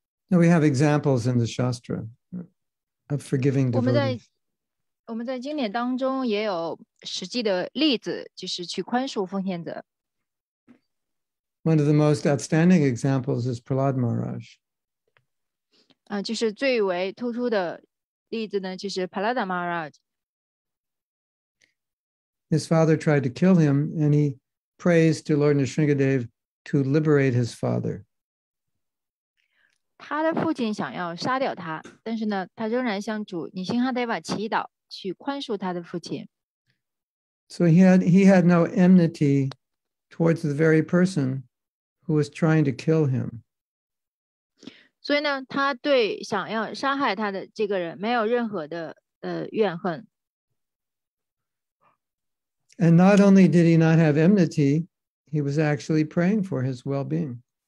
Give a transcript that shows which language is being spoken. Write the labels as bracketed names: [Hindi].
[English] We have examples in the Shastra of forgiving devotees. [Chinese] 我们在经典当中也有实际的例子，就是去宽恕奉献者。 [English] One of the most outstanding examples is Prahlad Maharaj. [Chinese] 就是最为突出的例子呢，就是 Prahlad Maharaj。 [English] His father tried to kill him, and he prays to Lord Nrisimhadev to liberate his father. [Chinese] 他的父亲想要杀掉他，但是呢，他仍然向主尼辛哈德瓦祈祷，去宽恕他的父亲。 [English] So he had no enmity towards the very person who was trying to kill him. [Chinese] 所以呢，他对想要杀害他的这个人没有任何的怨恨。 [English] And not only did he not have enmity, he was actually praying for his well-being.